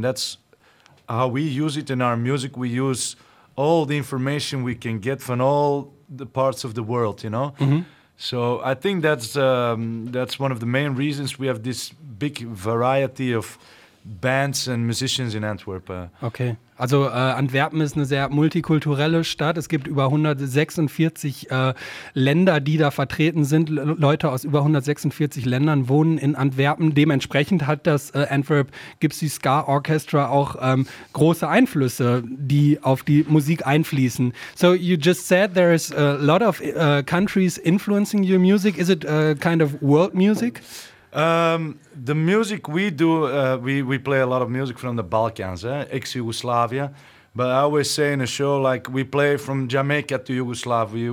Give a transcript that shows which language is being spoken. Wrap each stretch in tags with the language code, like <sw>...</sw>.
<en>That's how we use it in our music. We use all the information we can get from all the parts of the world, you know? Mm-hmm. So I think that's one of the main reasons we have this big variety of bands and musicians in Antwerp.</en> <de>Okay. Also Antwerpen ist eine sehr multikulturelle Stadt. Es gibt über 146 Länder, die da vertreten sind. Leute aus über 146 Ländern wohnen in Antwerpen. Dementsprechend hat das Antwerp Gypsy Ska Orchestra auch große Einflüsse, die auf die Musik einfließen.</de> <en>So you just said there is a lot of countries influencing your music. Is it a kind of world music? The music we do, we play a lot of music from the Balkans, ex-Yugoslavia. But I always say in a show, like, we play from Jamaica to Yugoslavia.</en>